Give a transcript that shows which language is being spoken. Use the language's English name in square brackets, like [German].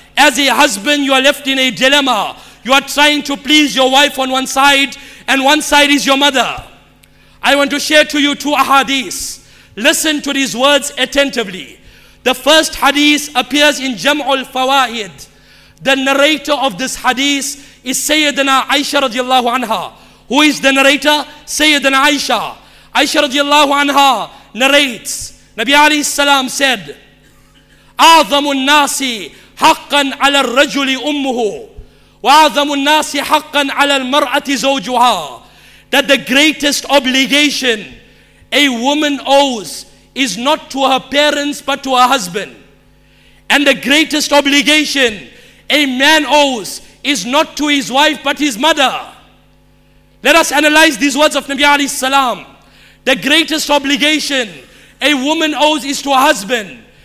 [English] As a husband, you are left in a dilemma. You are trying to please your wife on one side, and one side is your mother. I want to share to you two ahadith. Listen to these words attentively. The first hadith appears in Jam'ul Fawaid. The narrator of this hadith is Sayyidina Aisha radiallahu anha. Who is the narrator? Sayyidina Aisha. Aisha radiallahu anha narrates, Nabi alayhi salam said, [Arabic] أَعْظَمُ النَّاسِ حَقًّا عَلَى الرَّجُلِ أُمُّهُ وَأَعْظَمُ النَّاسِ حَقًّا عَلَى الْمَرْأَةِ زَوْجُهَا. [English] That the greatest obligation a woman owes is not to her parents but to her husband. And the greatest obligation a man owes is not to his wife but his mother. Let us analyze these words of Nabi alayhi salam. The greatest obligation a woman owes is to her husband.